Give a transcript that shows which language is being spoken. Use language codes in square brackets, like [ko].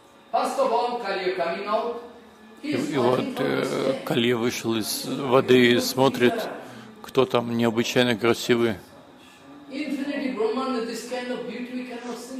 [en] First of all, Kaliya coming out. [ru] И вот Калия вышел из воды и смотрит, кто там необычайно красивый. [en] Infinity Brahman, this kind of beauty we cannot see.